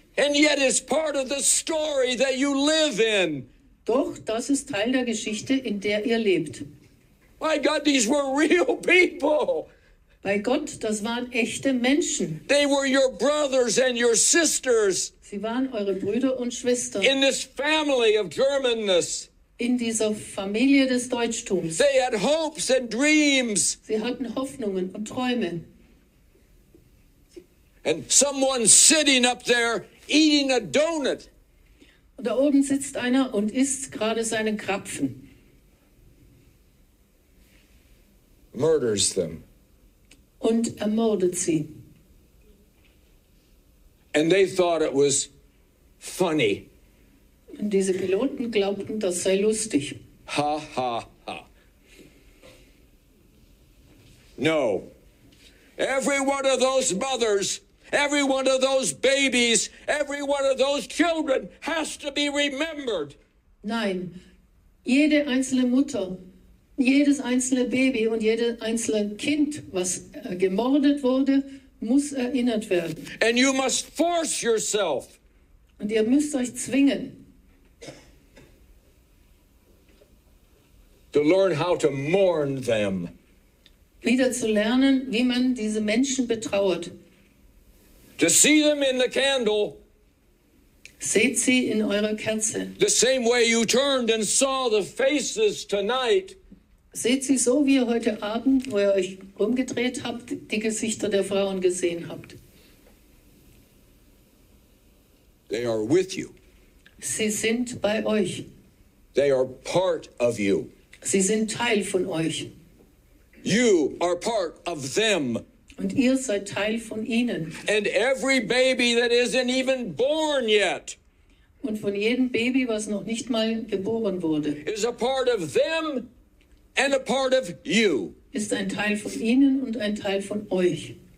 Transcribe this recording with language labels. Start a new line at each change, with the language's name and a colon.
English: And yet it's part of the story that you live in.
German: Doch, das ist Teil der Geschichte, in der ihr lebt.
English: My God, these were real people.
German: Bei Gott, das waren echte Menschen.
English: They were your brothers and your sisters.
German: Sie waren eure Brüder und Schwestern.
English: In this family of Germanness.
German: In dieser Familie des Deutschtums.
English: They had hopes and dreams.
German: Sie hatten Hoffnungen und Träume.
English: And someone sitting up there eating a donut.
German: Und da oben sitzt einer und isst gerade seinen Krapfen.
English: Murders them.
German: Und ermordet sie.
English: And they thought it was funny.
German: Und diese Piloten glaubten, das sei lustig. Ha, ha, ha.
English: No. Every one of those mothers, every one of those babies, every one of those children has to be remembered.
German: Nein. Jede einzelne Mutter, jedes einzelne Baby und jedes einzelne Kind, was gemordet wurde, muss erinnert werden.
English: And you must force yourself.
German: Und ihr müsst euch zwingen.
English: To learn how to mourn them.
German: Wieder zu lernen, wie man diese Menschen betrauert.
English: To see them in the candle.
German: Seht sie in eurer Kerze.
English: The same way you turned and saw the faces tonight.
German: Seht sie so, wie ihr heute Abend, wo ihr euch umgedreht habt, die Gesichter der Frauen gesehen habt.
English: They are with you.
German: Sie sind bei euch.
English: They are part of you.
German: Sie sind Teil von euch.
English: You are part of them.
German: Und ihr seid Teil von ihnen.
English: And every baby that isn't even born yet.
German: Und von jedem Baby, was noch nicht mal geboren wurde.
English: Is a part of them and a part of you.
German: Ist ein Teil von ihnen und ein Teil von euch.